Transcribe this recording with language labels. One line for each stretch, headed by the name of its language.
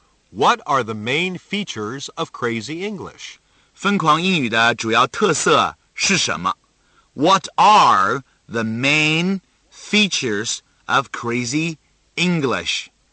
English: What are the main features of Crazy English?
Chinese: 疯狂英语的主要特色是什么?
English: What are the main features of Crazy English?